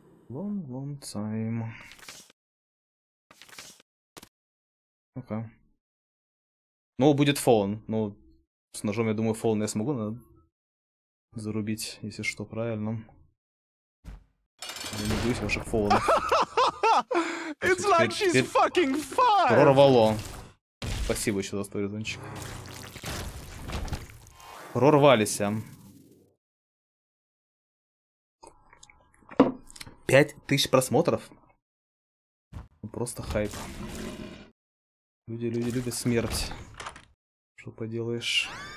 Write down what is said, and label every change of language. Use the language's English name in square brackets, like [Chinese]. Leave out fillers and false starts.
[English] Long, long time. [Russian] Ну-ка. Ну, будет фолн. Ну, с ножом, я думаю, фолн я смогу зарубить, если что, правильно. Я не боюсь ваших фолнов. [English] It's like she's fucking fine! [Russian] Прорвало. Спасибо еще за 100 резончик. Прорвались. 5000 просмотров. Просто хайп. Люди любят смерть. Что поделаешь?